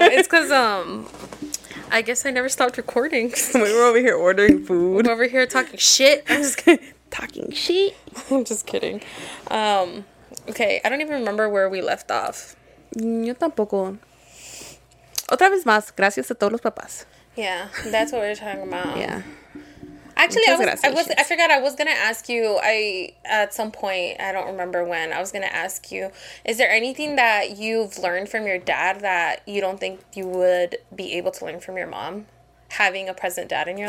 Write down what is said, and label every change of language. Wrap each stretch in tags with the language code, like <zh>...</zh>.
<en>It's because, I guess I never stopped recording. We were over here ordering food. We're over here talking shit. I'm just kidding. Talking shit. I'm just kidding. Okay, I don't even remember where we left off.</en> <es>Yo tampoco. Otra vez más, gracias a todos los papás.</es> <en>Yeah, that's what we're talking about. Yeah. Actually, I forgot I was going to ask you, at some point, I don't remember when, I was going to ask you, is there anything that you've learned from your dad that you don't think you would be able to learn from your mom, having a present dad in your</en>